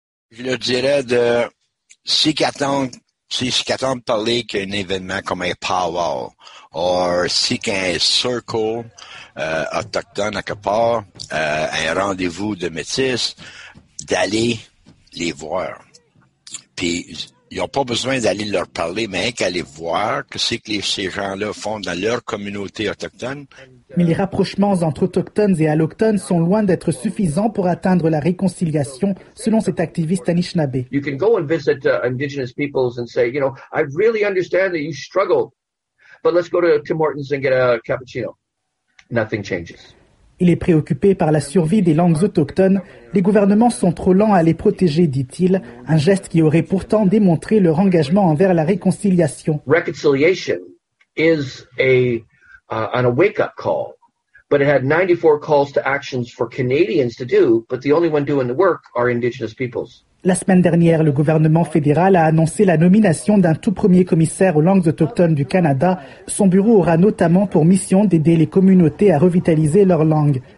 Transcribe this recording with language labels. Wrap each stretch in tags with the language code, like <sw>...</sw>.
<fr>Je leur dirais de s'y qu'attendre de parler qu'un événement comme un powwow ou si qu'un circle autochtone à quelque part, un rendez-vous de métis, d'aller les voir. Puis, ils n'ont pas besoin d'aller leur parler, mais qu'aller voir que c'est que ces gens-là font dans leur communauté autochtone. Mais les rapprochements entre autochtones et allochtones sont loin d'être suffisants pour atteindre la réconciliation, selon cet activiste Anishinaabe.</fr> <en>You can go and visit indigenous peoples and say, you know, I really understand that you struggled, but let's go to Tim Hortons and get a cappuccino. Nothing changes.</en> <fr>Il est préoccupé par la survie des langues autochtones. Les gouvernements sont trop lents à les protéger, dit-il. Un geste qui aurait pourtant démontré leur engagement envers la réconciliation.</fr> <en>Reconciliation is on a wake-up call, but it had 94 calls to actions for Canadians to do, but the only one doing the work are Indigenous peoples.</en> <fr>La semaine dernière, le gouvernement fédéral a annoncé la nomination d'un tout premier commissaire aux langues autochtones du Canada. Son bureau aura notamment pour mission d'aider les communautés à revitaliser leur langue.</fr>